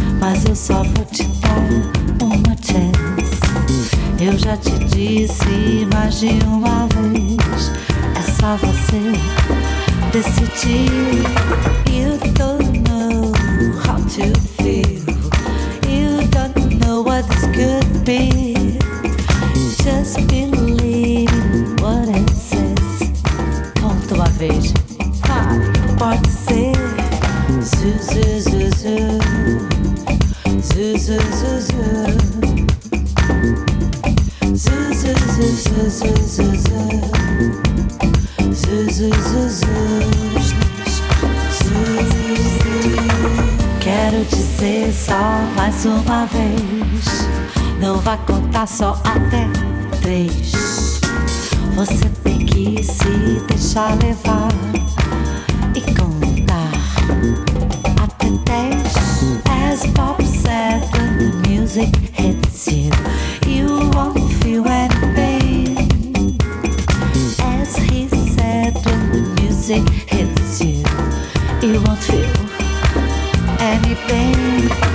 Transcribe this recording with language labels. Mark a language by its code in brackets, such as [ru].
[pt] Mas eu só vou te dar uma chance. Eu já te disse mais de uma vez. É só você decidir. [en] You don't know how to feel. You don't know what this could be. Just believe in what it says. [pt] Conta uma vez. Pode ser. Zuzuzuzu. Zuzuzuzu. Zuzuzuzuzu. Zuzuzuzu. Quero dizer só mais uma vez. Não vá contar só até três. Você tem que se deixar levar e contar até dez. [en] As pop said when the music hits you, you won't feel any pain. As he said when the music hits you, you won't feel any pain.